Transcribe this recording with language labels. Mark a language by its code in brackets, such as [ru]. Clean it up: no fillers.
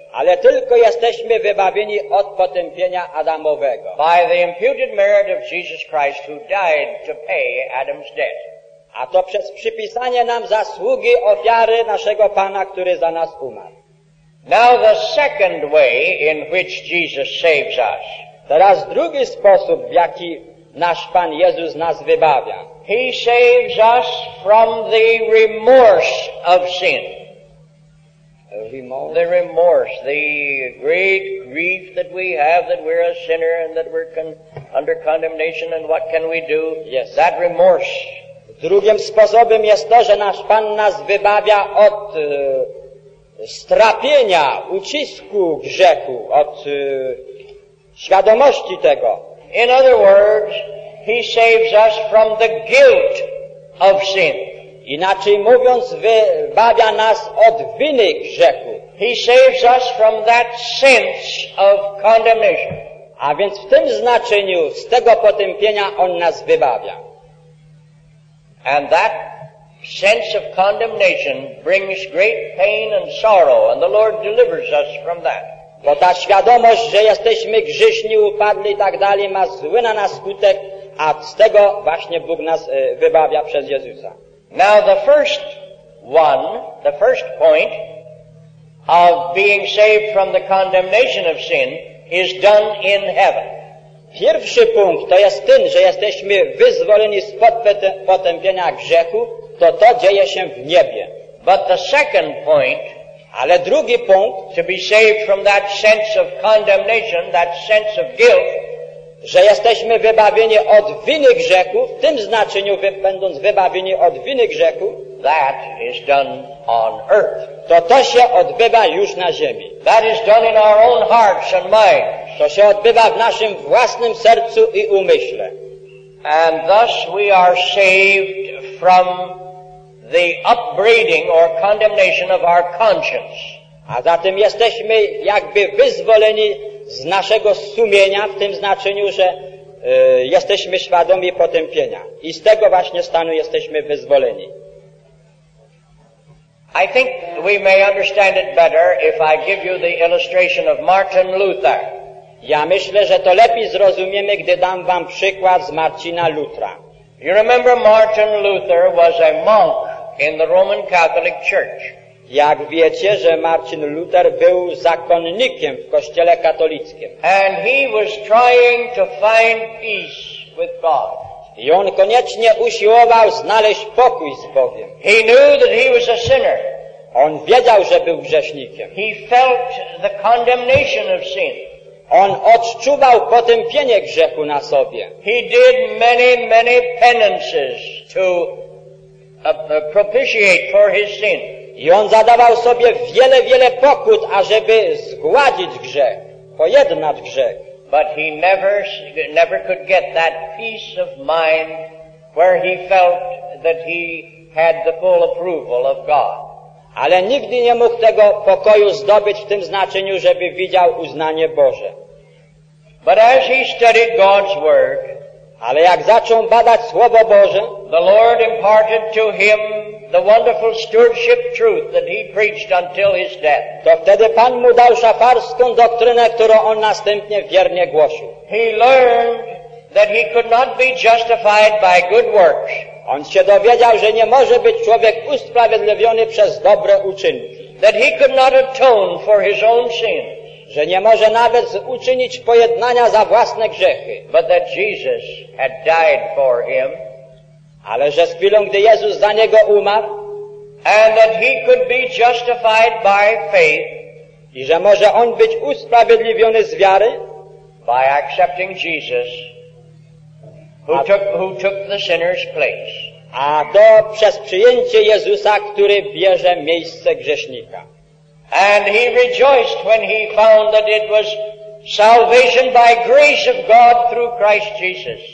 [pl] Ale tylko jesteśmy wybawieni od potępienia Adamowego. [en] By the imputed merit of Jesus Christ who died to pay Adam's debt. [pl] A to przez przypisanie nam zasługi ofiary naszego Pana, który za nas umarł. [en] Now the second way in which Jesus saves us. [pl] Teraz drugi sposób, w jaki nasz Pan Jezus nas wybawia. [en] He saves us from the remorse of sin. Remorse. The remorse, the great grief that we have that we're a sinner and that we're under condemnation and what can we do? Yes. That remorse. [pl] Drugim sposobem jest to, że nasz Pan nas wybawia od strapienia, ucisku grzechu, od świadomości tego. [en] In other words, he saves us from the guilt of sin. [pl] Inaczej mówiąc, wybawia nas od winy grzechu. [en] He saves us from that sense of condemnation. [pl] A więc w tym znaczeniu, z tego potępienia, on nas wybawia. [en] And that sense of condemnation brings great pain and sorrow, and the Lord delivers us from that. [pl] Bo ta świadomość, że jesteśmy grzeszni, upadli i tak dalej, ma zły na nas skutek, a z tego właśnie Bóg nas wybawia przez Jezusa. [en] Now the first one, the first point of being saved from the condemnation of sin is done in heaven. [pl] Pierwszy punkt to jest ten, że jesteśmy wyzwoleni spod potępienia grzechu, to dzieje się w niebie. [en] But the second point, [pl] ale drugi punkt, [en] to be saved from that sense of condemnation, that sense of guilt, [pl] że jesteśmy wybawieni od winy grzechu, w tym znaczeniu będąc wybawieni od winy grzechu, [en] that is done on earth. [pl] To się odbywa już na ziemi. [en] That is done in our own hearts and minds. [pl] To się odbywa w naszym własnym sercu i umyśle. [en] And thus we are saved from the upbraiding or condemnation of our conscience. [pl] A zatem jesteśmy jakby wyzwoleni z naszego sumienia, w tym znaczeniu, że jesteśmy świadomi potępienia. I z tego właśnie stanu jesteśmy wyzwoleni. [en] I think we may understand it better if I give you the illustration of Martin Luther. [pl] Ja myślę, że to lepiej zrozumiemy, gdy dam wam przykład z Marcina Lutra. [en] You remember Martin Luther was a monk in the Roman Catholic Church. [pl] Jak wiecie, że Marcin Luther był zakonnikiem w Kościele katolickim. [en] And he was trying to find peace with God. [pl] I on koniecznie usiłował znaleźć pokój z Bogiem. [en] He knew that he was a sinner. [pl] On wiedział, że był grzesznikiem. [en] He felt the condemnation of sin. [pl] On odczuwał potępienie grzechu na sobie. [en] He did many, many penances to propitiate for his sin. [pl] I on zadawał sobie wiele, wiele pokut, ażeby zgładzić grzech, pojednać grzech. [en] But he never could get that peace of mind where he felt that he had the full approval of God. [pl] Ale nigdy nie mógł tego pokoju zdobyć w tym znaczeniu, żeby widział uznanie Boże. [en] But as he studied God's word, [pl] ale jak zaczął badać Słowo Boże, [en] the Lord imparted to him the wonderful stewardship truth that he preached until his death. [pl] To wtedy Pan mu dał szafarską doktrynę, którą on następnie wiernie głosił. [en] He learned that he could not be justified by good works. [pl] On się dowiedział, że nie może być człowiek usprawiedliwiony przez dobre uczynki. [en] That he could not atone for his own sin. [pl] Że nie może nawet uczynić pojednania za własne grzechy. [en] But that Jesus had died for him. [pl] Ale że z chwilą, gdy Jezus za niego umarł, [en] and that he could be justified by faith, [pl] i że może on być usprawiedliwiony z wiary, [en] by accepting Jesus, who took the sinner's place. [pl] A to przez przyjęcie Jezusa, który bierze miejsce grzesznika. [en] And he rejoiced when he found that it was salvation by grace of God through Christ Jesus.